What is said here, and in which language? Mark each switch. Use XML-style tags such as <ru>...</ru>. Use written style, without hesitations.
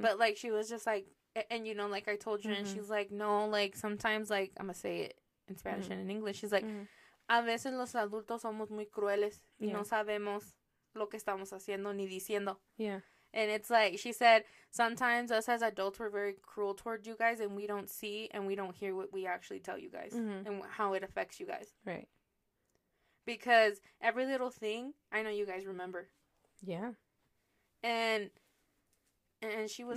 <en>But, like, she was just like, and, you know, like, I told you, and she's like, no, like, sometimes, like, I'm going to say it in Spanish and in English.</en> <es>She's like, a veces los adultos somos muy crueles y no sabemos lo que estamos haciendo ni diciendo.</es> <en>Yeah. And it's like, she said, sometimes us as adults, we're very cruel toward you guys, and we don't see and we don't hear what we actually tell you guys and how it affects you guys. Right. Because every little thing, I know you guys remember. Yeah. And she was</en>